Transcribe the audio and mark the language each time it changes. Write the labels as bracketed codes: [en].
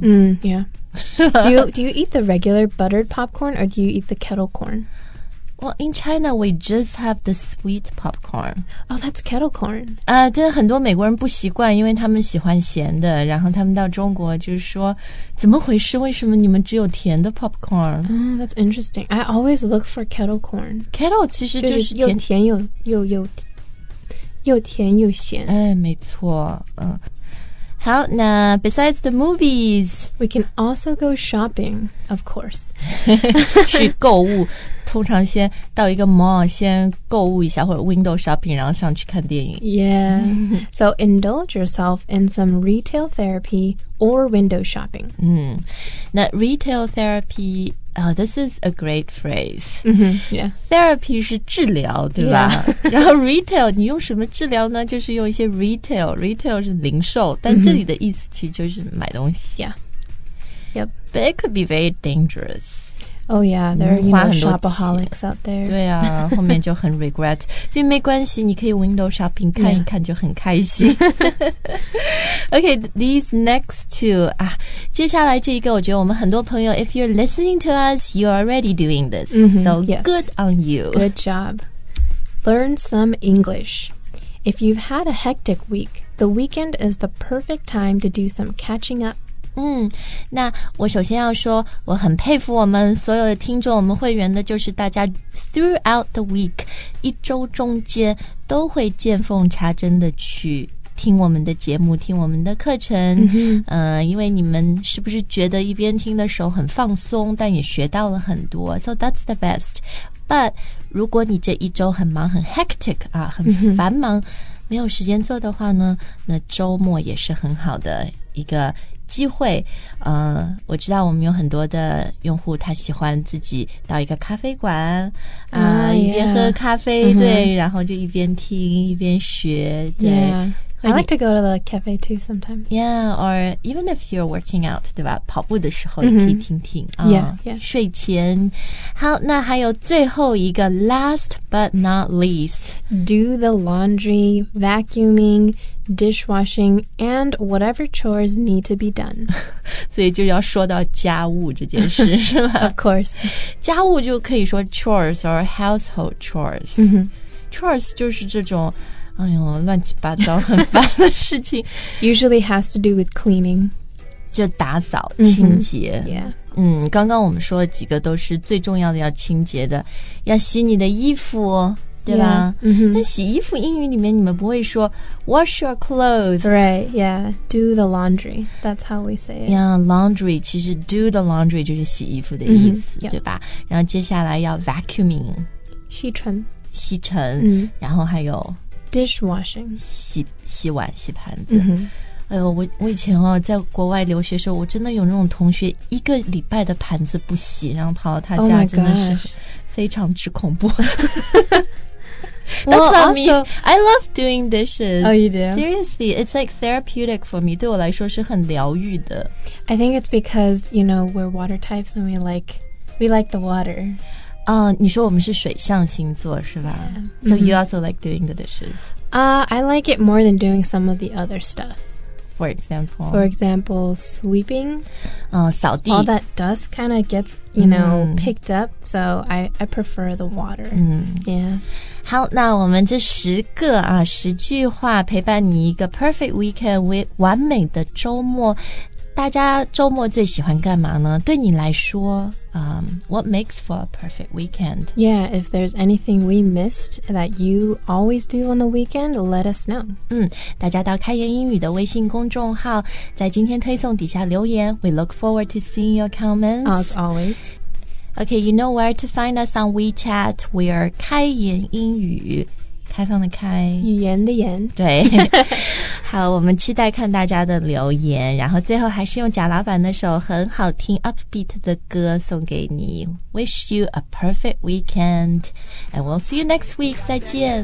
[en] Yeah. Do you eat the regular buttered popcorn or do you eat the kettle corn? Well, in China, we just have the sweet popcorn. Oh, that's kettle corn. [zh] 这很多美国人不习惯，因为他们喜欢咸的。然后他们到中国就是说，怎么回事？为什么你们只有甜的 popcorn? [en] That's interesting. I always look for kettle corn. [zh] Kettle 其实就是甜又甜又甜又咸。哎，没错，好，那 [en] besides the movies, we can also go shopping, of course. [zh] 去购物，通常先到一个 mall 先购物一下，或者 window shopping, 然后上去看电影。 [en] Yeah. So indulge yourself in some retail therapy or window shopping. 那 retail therapy,this is a great phrase. Yeah. [zh] Therapy 是治疗，对吧？ [en] Yeah. [zh] 然后 retail, 你用什么治疗呢？就是用一些 retail. Retail 是零售，但这里的意思其实就是买东西。 [en] Yeah. Yep. But it could be very dangerous. Oh, yeah. There are, you know, shopaholics out there. [zh] 对啊，后面就很 regret. 所以没关系，你可以 window shopping 看一看就很开心。 [en] Okay, these next two. [zh] 接下来这一个我觉得我们很多朋友 [en] if you're listening to us, you're already doing this. So yes, good on you. Good job. Learn some English. If you've had a hectic week, the weekend is the perfect time to do some catching up. [zh] 那我首先要说我很佩服我们所有的听众我们会员的就是大家 [en] throughout the week, [zh] 一周中间都会见缝插针的去听我们的节目听我们的课程、因为你们是不是觉得一边听的时候很放松但也学到了很多 [en] So that's the best But [zh] 如果你这一周很忙很 hectic 啊，很繁忙、没有时间做的话呢那周末也是很好的一个机会、我知道我们有很多的用户他喜欢自己到一个咖啡馆、一边喝咖啡、对然后就一边听一边学对、 [en] I like to go to the cafe too sometimes. Yeah, or even if you're working out, [zh] 对吧？跑步的时候也可以听听。 [en] Yeah. [zh] 睡前。好，那还有最后一个 ， [en] last but not least, do the laundry, vacuuming, dishwashing, and whatever chores need to be done. [zh] 所以就要说到家务这件事，是吧 [en] ？Of course. [zh] 家务就可以说 chores or household chores. Chores 就是这种。哎呦，乱七八糟，很烦的事情。 [en] Usually has to do with cleaning. [zh] 就打扫、清洁。 [en] Yeah. [zh] 刚刚我们说的几个都是最重要的要清洁的。要洗你的衣服，对吧？但洗衣服英语里面你们不会说 [en] wash your clothes. Right, yeah. Do the laundry. That's how we say it. [zh] Yeah, laundry, 其实 do the laundry 就是洗衣服的意思、对吧？然后接下来要 vacuuming. 吸尘。吸尘。然后还有 [en] Dishwashing. [zh] 洗碗洗盘子、哎呦 我以前、在国外留学的时候我真的有那种同学一个礼拜的盘子不洗然后跑到他家、真的是非常之恐怖 [en] well, That's not also, me I love doing dishes Oh you do? Seriously, it's like therapeutic for me [zh] 对我来说是很疗愈的 [en] I think it's because, you know, we're water types and we like the water [zh] 你说我们是水象星座是吧 [en] yeah, So you also like doing the dishes I like it more than doing some of the other stuff For example, sweeping [zh] 扫地 [en] All that dust kind of gets, you know,、picked up So I prefer the water、Yeah [zh] 好那我们这十个啊十句话陪伴你一个 perfect weekend 完美的周末大家周末最喜欢干嘛呢对你来说 [en] what makes for a perfect weekend? Yeah, if there's anything we missed that you always do on the weekend, let us know. [zh] 大家到开言英语的微信公众号在今天推送底下留言 [en] We look forward to seeing your comments. As always. Okay, you know where to find us on WeChat. We are [zh] 开言英语开放的开语言的言对好我们期待看大家的留言然后最后还是用贾老板那首很好听 upbeat 的歌送给你 [en] wish you a perfect weekend and we'll see you next week [zh] 再见